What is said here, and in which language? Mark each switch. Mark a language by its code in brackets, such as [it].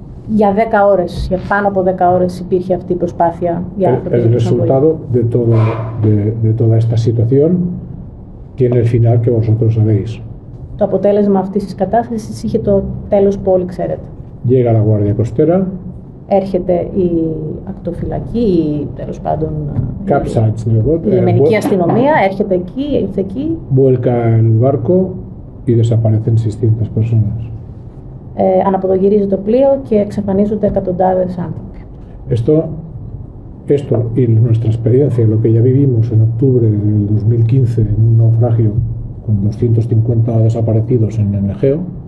[el] Για 10 ώρες, για πάνω από 10 ώρες υπήρχε αυτή η προσπάθεια για να φτιάξει. [es] El resultado de toda esta situación tiene el final que vosotros sabéis. [el] Το αποτέλεσμα αυτής της κατάστασης είχε το τέλος που όλοι ξέρετε. [es] Llega la Guardia Costera. [el] Έρχεται η ακτοφυλακή ή τέλος πάντων. Capsize, λέγεται. Η λιμενική αστυνομία έρχεται εκεί, ήρθε εκεί. [es] Vuelca el barco y desaparecen 600 personas. [el] Αναποδογυρίζει το πλοίο και εξαφανίζονται εκατοντάδες άνθρωποι. [es] Esto y nuestra experiencia, lo que ya vivimos en octubre del 2015 en un naufragio con 250 desaparecidos en el Egeo.